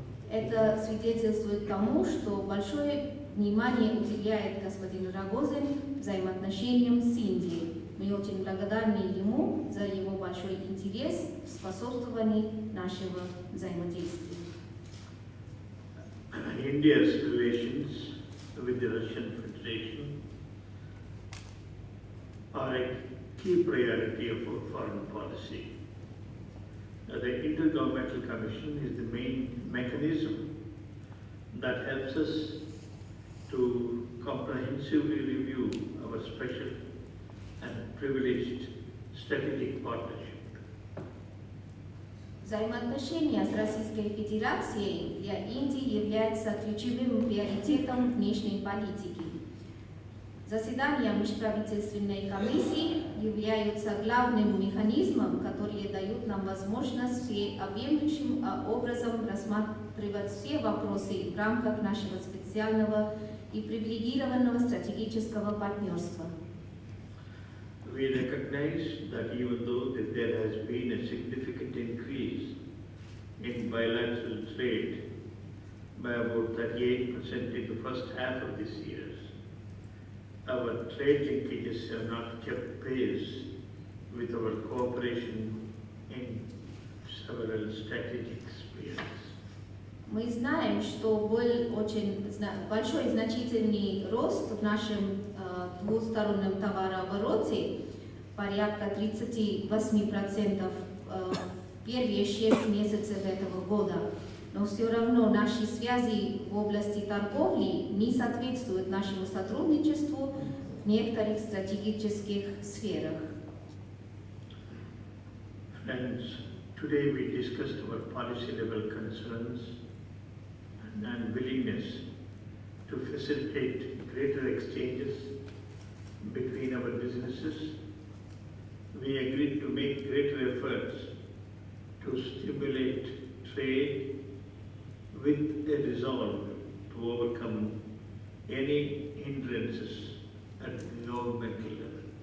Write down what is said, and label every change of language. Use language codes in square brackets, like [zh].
[ru] Это свидетельствует тому, что большое внимание уделяет господин Рогозин взаимоотношениям с Индией. Мы очень благодарны ему за его большой интерес в способствовании нашего взаимодействия. [en] India's relations with the Russian Federation are a key priority of our foreign policy. The Intergovernmental Commission is the main mechanism that helps us to comprehensively review our special and privileged strategic partnership. [ru] Взаимоотношения с Российской Федерацией для Индии являются ключевым приоритетом внешней политики. Заседания Межправительственной комиссии являются главным механизмом, которые дают нам возможность всеобъемлющим образом рассматривать все вопросы в рамках нашего специального и привилегированного стратегического партнерства. [en] We recognize that even though there has been a significant increase in bilateral trade by about 38% in the first half of this year, our trade linkages have not kept pace with our cooperation in several strategic spheres. [ru] Мы знаем, что был очень большой значительный рост в нашем двусторонном товарообороте, порядка 38% первые 6 месяцев этого года. Но все равно наши связи в области торговли не соответствуют нашему сотрудничеству в некоторых стратегических сферах. [en] Friends, today we discussed our policy level concerns and willingness to facilitate greater exchanges between our businesses. We agreed to make greater efforts to stimulate trade with a resolve to overcome any hindrances at the governmental level.